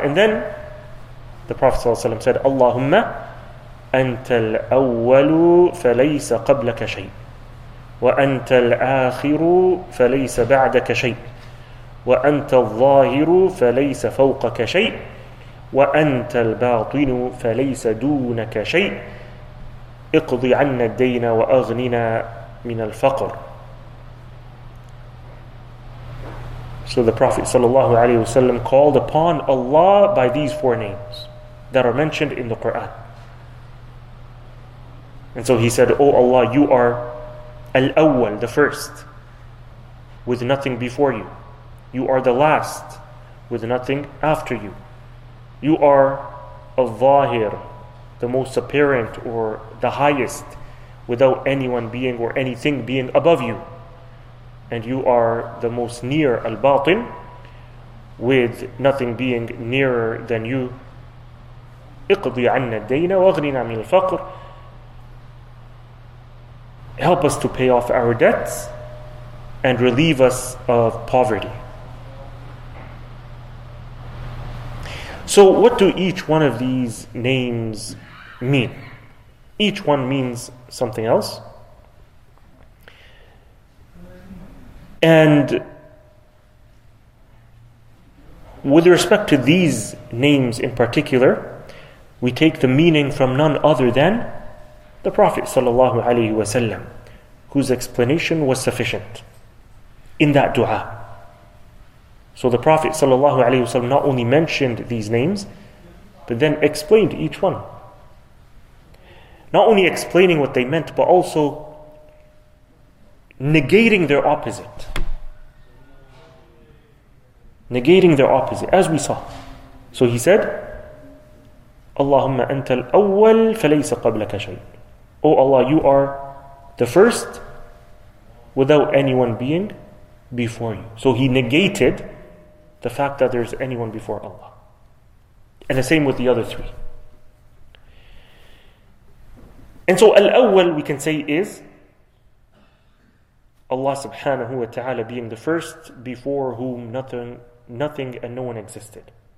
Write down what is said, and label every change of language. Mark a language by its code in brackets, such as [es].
[en] And then the Prophet [ar] sallallahu alaihi wasallam said, Allahumma أنت الأول فليس قبلك شيء وأنت الآخر فليس بعدك شيء وأنت الظاهر فليس فوقك شيء وأنت الباطن فليس دونك شيء اقضي عنا الدين وأغننا من الفقر. [en] So the Prophet [ar] صلى الله عليه وسلم [en] called upon Allah by these four names that are mentioned in the Quran. And so he said, "Oh Allah, you are Al-Awwal, the first, with nothing before you. You are the last, with nothing after you. You are Al-Zahir, the most apparent or the highest, without anyone being or anything being above you. And you are the most near Al-Batin, with nothing being nearer than you. [ar] اقضي عنا الدين واغننا من الفقر. [en] Help us to pay off our debts and relieve us of poverty." So what do each one of these names mean? Each one means something else. And with respect to these names in particular, we take the meaning from none other than the Prophet sallallahu alaihi wasallam, whose explanation was sufficient in that dua. So the Prophet sallallahu alaihi wasallam not only mentioned these names, but then explained each one. Not only explaining what they meant, but also negating their opposite. Negating their opposite, as we saw. So he said, [ar] اللهم أنت الأول فليس قبلك شيء. [en] Oh Allah, you are the first without anyone being before you. So he negated the fact that there's anyone before Allah. And the same with the other three. And so Al-Awwal, we can say, is Allah subhanahu wa ta'ala being the first before whom nothing and no one existed.